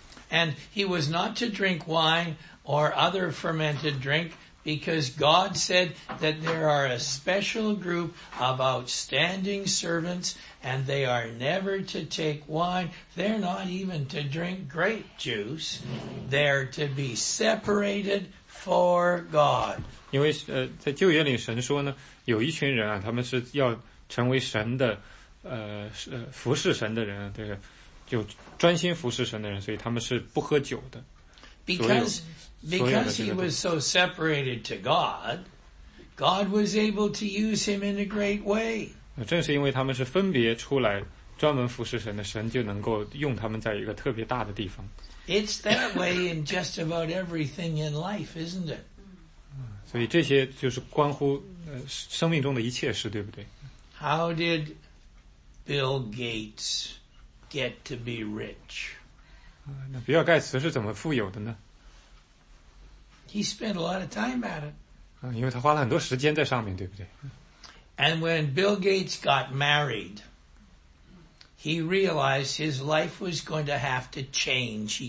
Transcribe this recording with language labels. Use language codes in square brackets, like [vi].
[en] And he was not to drink wine or other fermented drink. Because God said that there are a special group of outstanding servants and they are never to take wine. They're not even to drink grape juice. They're to be separated for God. [zh] 因为在旧约里神说呢，有一群人啊，他们是要成为神的服侍神的人，对，就专心服侍神的人，所以他们是不喝酒的。 [en] Because he was so separated to God, God was able to use him in a great way. [zh] 正是因为他们是分别出来专门服侍神的，神就能够用他们在一个特别大的地方。 [en] It's that way in just about everything in life, isn't it? [zh] 所以这些就是关乎生命中的一切事，对不对？ [en] How did Bill Gates get to be rich? [zh] 那比尔盖茨是怎么富有的呢？ [en] He spent a lot of time at it. [zh] 因为他花了很多时间在上面，对不对？ [en] And when Bill Gates got married, he realized his life was going to have to change.